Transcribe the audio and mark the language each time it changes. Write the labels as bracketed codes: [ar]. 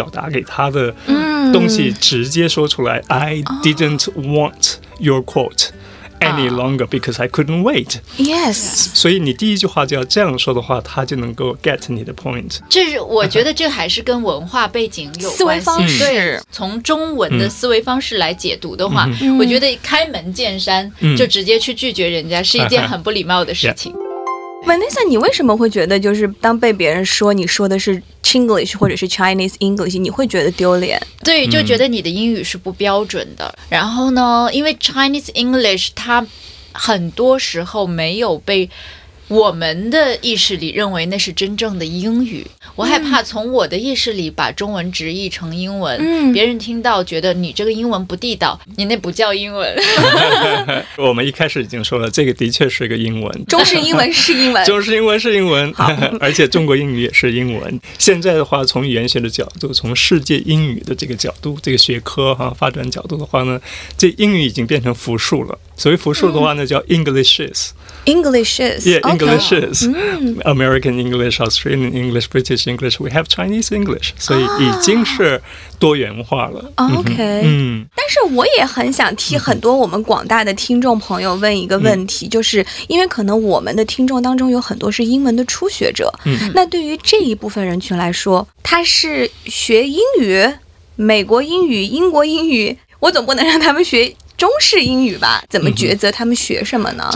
[zh] 实际上你没有把就是你最想表达给他的东西直接说出来。 [en] I didn't want your quote any longer because I couldn't wait. Yes. [zh] 所以你第一句话就要这样说的话，他就能够 get 你的 point. 这是我觉得这还是跟文化背景有关系。思维方式，从中文的思维方式来解读的话，我觉得开门见山就直接去拒绝人家是一件很不礼貌的事情。 Vanessa, 你为什么会觉得就是当被别人说你说的是 Chinglish 或者是 Chinese English 你会觉得丢脸？对，就觉得你的英语是不标准的。然后呢，因为 Chinese English 它很多时候没有被我们的意识里认为那是真正的英语，我害怕从我的意识里把中文直译成英文，别人听到觉得你这个英文不地道，你那不叫英文。我们一开始已经说了，这个的确是个英文，中式英文是英文，中式英文是英文，而且中国英语也是英文。现在的话，从语言学的角度，从世界英语的这个角度，这个学科哈、发展角度的话呢，这英语已经变成复数了。所谓复数的话呢，叫 Englishes。 [en] Englishes, yeah, Englishes, American English, Australian English, British English, we have Chinese English, [zh] 所以已经是多元化了。 [en] OK, [zh] 但是我也很想替很多我们广大的听众朋友问一个问题，就是因为可能我们的听众当中有很多是英文的初学者，那对于这一部分人群来说，他是学英语、美国英语、英国英语，我总不能让他们学中式英语吧，怎么抉择他们学什么呢？